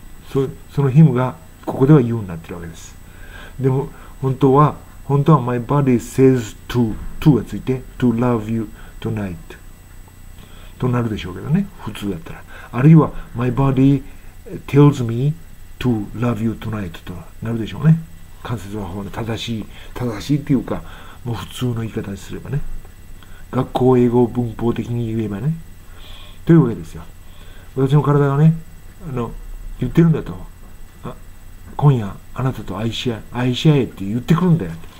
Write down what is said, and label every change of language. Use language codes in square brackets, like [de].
[ja] そのヒムがここでは言うになってるわけです。でも本当は [en] My body says to [ja] がついて [en] To love you tonight [ja] となるでしょうけどね、普通だったら。 [en] あるいは My body tells meTo love you tonight [ja] となるでしょうね。関節の方の正しいっていうか、もう普通の言い方にすればね。学校英語文法的に言えばね。というわけですよ。私の体がね、言ってるんだと。今夜あなたと愛し合えって言ってくるんだよ。